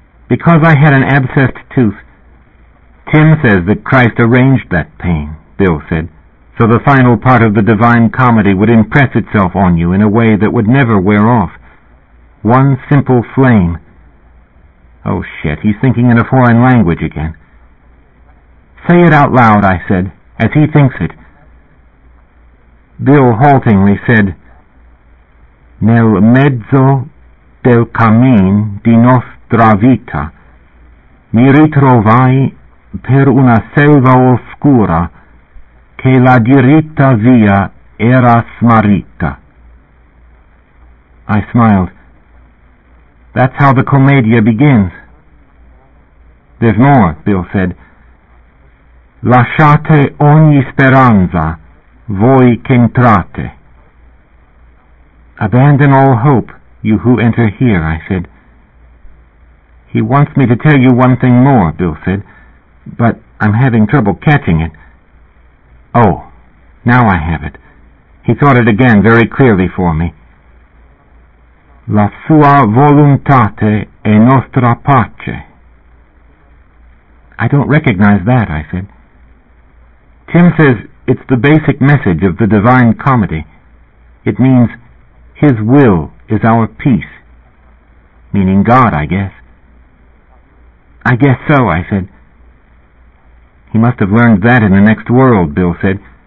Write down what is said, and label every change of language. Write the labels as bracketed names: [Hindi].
[English] Because I had an abscessed tooth. Tim says that Christ arranged that pain, Bill said, so the final part of the Divine Comedy would impress itself on you in a way that would never wear off. One simple flame. Oh, shit, he's thinking in a foreign language again. Say it out loud, I said, as he thinks it. Bill haltingly said, [Italian] Nel mezzo del cammin di nostra vita mi ritrovai per una selva oscura che la diritta via era smarrita. [English] I smiled. That's how the Commedia begins. There's more, Bill said. [Italian] Lasciate ogni speranza, voi che entrate. [English] Abandon all hope, you who enter here, I said. He wants me to tell you one thing more, Bill said, but I'm having trouble catching it. Oh, now I have it. He thought it again very clearly for me. [Italian] La sua volontate è nostra pace. [English] I don't recognize that, I said. Tim says it's the basic message of the Divine Comedy. It means, His will is our peace. Meaning God, I guess. I guess so, I said. He must have learned that in the next world, Bill said.